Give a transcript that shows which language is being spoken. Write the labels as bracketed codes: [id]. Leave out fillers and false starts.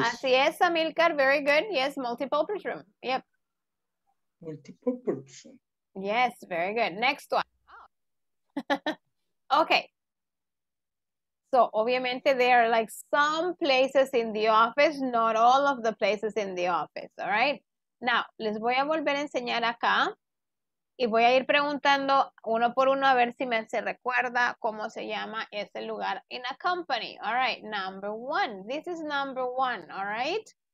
[es] Así es, [en] Amilcar, very good, yes, multi-purpose room, yep. Multi-purpose. Yes, very good, next one. Okay. So, [es] obviamente, [en] there are like some places in the office, not all of the places in the office, all right? [es] Now, les voy a volver a enseñar acá y voy a ir preguntando uno por uno a ver si me se recuerda cómo se llama ese lugar [en] in a company, all right? Number one, this is number one, all right?